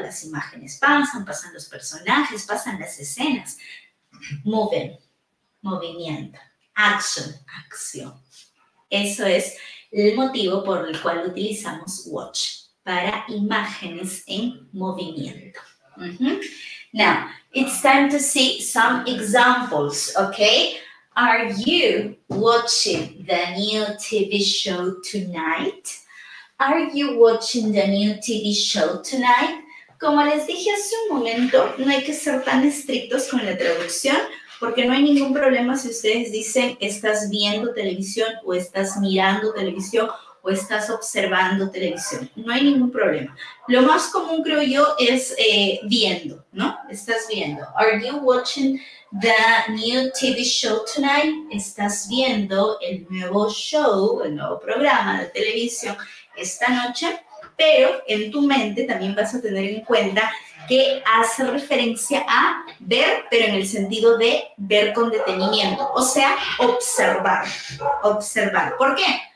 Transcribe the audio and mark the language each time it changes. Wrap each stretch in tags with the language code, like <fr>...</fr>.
<es>Las imágenes pasan, pasan los personajes, pasan las escenas.</es> <en>Moving, movimiento. Action, acción.</en> <es>Eso es el motivo por el cual utilizamos watch, para imágenes en movimiento.</es> <en>Now, it's time to see some examples, okay? Are you watching the new TV show tonight? Are you watching the new TV show tonight?</en> <es>Como les dije hace un momento, no hay que ser tan estrictos con la traducción, porque no hay ningún problema si ustedes dicen estás viendo televisión o estás mirando televisión o estás observando televisión. No hay ningún problema. Lo más común, creo yo, es viendo, ¿no? Estás viendo.</es> <en>Are you watching the new TV show tonight?</en> <es>Estás viendo el nuevo show, el nuevo programa de televisión esta noche. Pero en tu mente también vas a tener en cuenta que hace referencia a ver, pero en el sentido de ver con detenimiento. O sea, observar. Observar. ¿Por qué?</es>